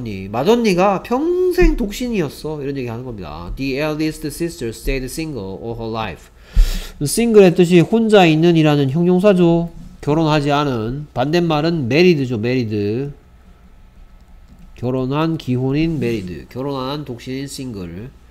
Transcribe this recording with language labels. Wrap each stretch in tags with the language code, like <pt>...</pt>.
<ko>맏언니가 평생 독신이었어. 이런 얘기 하는 겁니다.</ko> <en>The eldest sister stayed single all her life.</en> <ko>single의 뜻이 혼자 있는 이라는 형용사죠. 결혼하지 않은 반대말은 married죠. married 결혼한 기혼인 메리드, 결혼한 독신인 싱글.</ko>